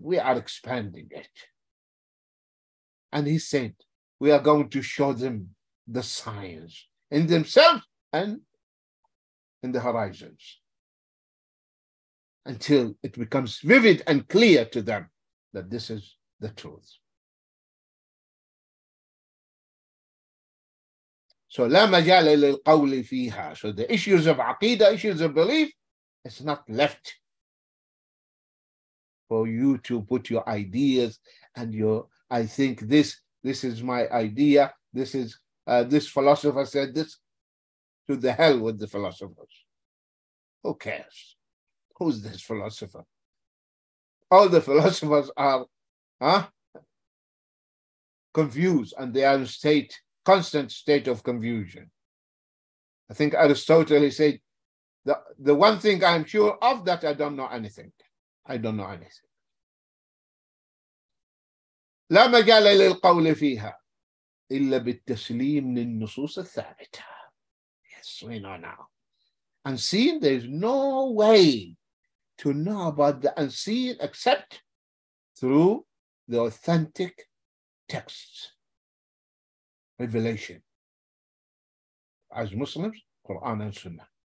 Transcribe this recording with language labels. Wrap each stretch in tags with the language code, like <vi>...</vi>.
<en>We are expanding it. And he said, we are going to show them the signs in themselves and in the horizons until it becomes vivid and clear to them that this is the truth.</en> <ar>So لا مجال للقول فيها.</ar> <en>So the issues of aqidah, issues of belief, it's not left for you to put your ideas and your I think this is my idea, this is this philosopher said this, to the hell with the philosophers. Who cares? Who's this philosopher? All the philosophers are confused, and they are in state, constant state of confusion. I think Aristotle said, the one thing I'm sure of, that I don't know anything. I don't know anything.</en> <ar>لا مجال للقول فيها إلا بالتسليم للنصوص الثابتة.</ar> <en>Yes, we know now. Unseen, there is no way to know about the unseen except through the authentic texts. Revelation. As Muslims, Quran and Sunnah.</en>